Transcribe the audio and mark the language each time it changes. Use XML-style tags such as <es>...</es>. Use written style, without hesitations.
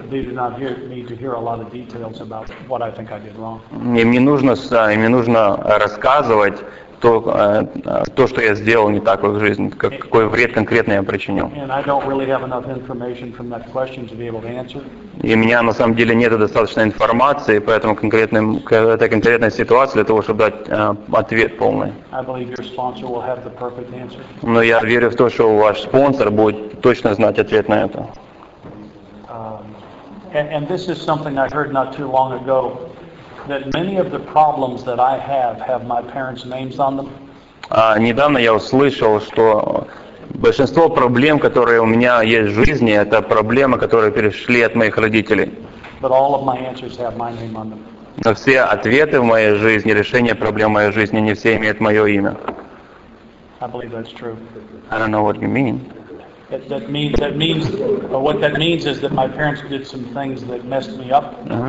<en>They do not need to hear a lot of details about what I think I did wrong.</en> <ru>Им не нужно рассказывать то, что я сделал не так в их жизни, какой вред конкретно я причинил.</ru> <en>And I don't really have enough information from that question to be able to answer.</en> <ru>И у меня на самом деле нет достаточной информации по этой конкретной ситуации для того, чтобы дать ответ полный.</ru> <en>I believe your sponsor will have the perfect answer.</en> <ru>Но я верю в то, что ваш спонсор будет точно знать ответ на это.</ru> <en>And this is something I heard not too long ago, that many of the problems that I have my parents' names on them.</en> <ru>Недавно я услышал, что большинство проблем, которые у меня есть в жизни, это проблемы, которые перешли от моих родителей.</ru> <en>But all of my answers have my name on them.</en> <ru>Но все ответы в моей жизни, решения проблем в моей жизни, не все имеют мое имя.</ru> <en>I believe that's true. I don't know what you mean. What that means is that my parents did some things that messed me up.</en>